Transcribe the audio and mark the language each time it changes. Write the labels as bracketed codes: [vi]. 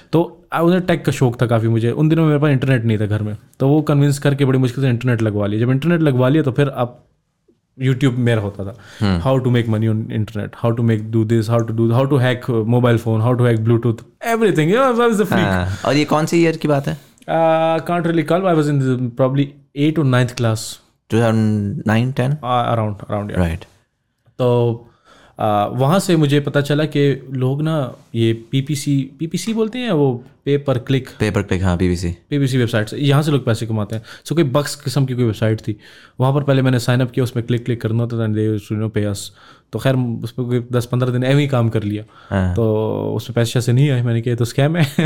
[ur] تو [en] I was a tech [ur] کا شوق تھا کافی مجھے. ان دنوں میں میرے پاس انٹرنیٹ نہیں تھا گھر میں, تو وہ کنوینس کر کے بڑی مشکل سے انٹرنیٹ لگوا لیا. جب انٹرنیٹ لگوا لیا تو پھر اب یوٹیوب میرا ہوتا تھا, [en] How to make money on internet, how to make do this, how to do, how to hack mobile phone, how to hack bluetooth, everything. [ur] اور یہ کون سی ایئر کی بات ہے؟ [en] Can't really call. I was in the, probably 8th or 9th class. 2009-10? Around, yeah. Right. [ur] تو وہاں سے مجھے پتا چلا کہ لوگ نا یہ PPC بولتے ہیں, وہ پے پر کلک, ہاں PPC ویب سائٹ, یہاں سے لوگ پیسے کماتے ہیں. سو کوئی بکس قسم کی کوئی ویب سائٹ تھی, وہاں پر پہلے میں نے سائن اپ کیا, اس میں کلک کرنا ہوتا تھا, پیس, تو خیر اس پہ کوئی 10-15 دن ایوی کام کر لیا, تو اس میں پیسے سے نہیں آئے, میں نے کہا تو اسکیم ہے.